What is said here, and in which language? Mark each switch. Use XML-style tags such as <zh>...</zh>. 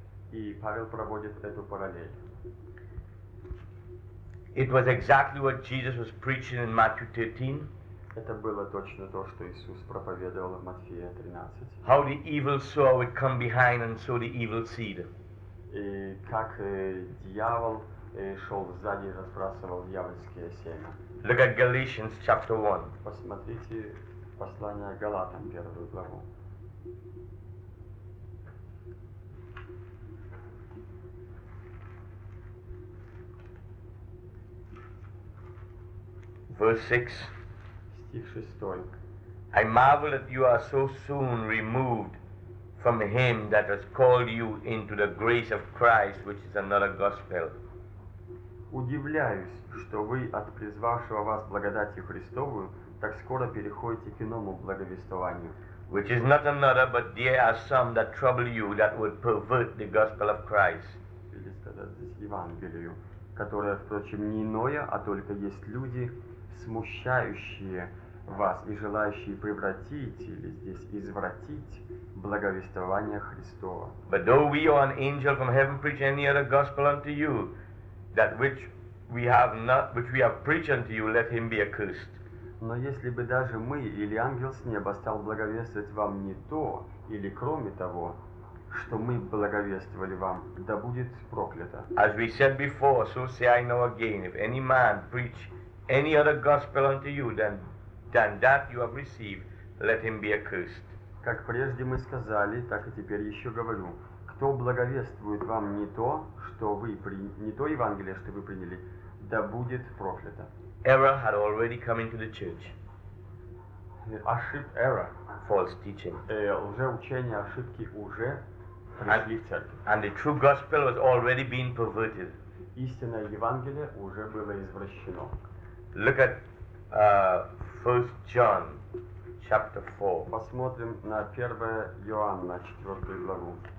<ru>И Павел проводит эту параллель.</ru> <en>It was exactly what Jesus was preaching in Matthew 13.</en> <ru>Это было точно то, что Иисус проповедовал в Матфея 13.</ru> <en>How the evil sower would come behind and sow the evil seed.</en> <ru>И как дьявол шел сзади и разбрасывал дьявольские семена.</ru> <en>Look at Galatians chapter 1.</en> <ru>Посмотрите послание Галатам, первую главу.</ru> <en>Verse 6.</en> <ru>Стих 6.</ru> <en>I marvel that you are so soon removed from him that has called you into the grace of Christ, which is another gospel.</en> <ru>Удивляюсь, что вы от призвавшего вас благодати Христовую так скоро переходите к иному благовествованию.</ru> <en>Which is not another, but there are some that trouble you that would pervert the gospel of Christ.</en> <ru>Или сказать здесь Евангелию, которое, впрочем, не иное, а только есть люди, смущающие вас и желающие превратить или здесь извратить благовествование Христово.</ru> <en>But though we or an angel from heaven preach any other gospel unto you, that which we have not, which we have preached unto you, let him be accursed.</en> <ru>Но если бы даже мы или ангел с неба стал благовествовать вам не то или кроме того, что мы благовествовали вам, да будет проклято.</ru> <en>As we said before, so say I now again, if any man preach any other gospel unto you than that you have received, let him be accursed.</en> <ru>Как прежде мы сказали, так и теперь еще говорю, кто благовествует вам не то, что вы не то Евангелие, что вы приняли, да будет проклято.</ru> <en>Error had already come into the church.</en> <ru>Ошибка, error,</ru> <en>false teaching.</en> <ru>Лжеучение, ошибки уже пришли в церковь.</ru> <en>And the true gospel was already being perverted.</en> <ru>Истинное Евангелие уже было извращено.</ru> <en>Look at 1 John chapter 4.</en> <ru>Посмотрим на 1 Иоанна 4 главу.</ru>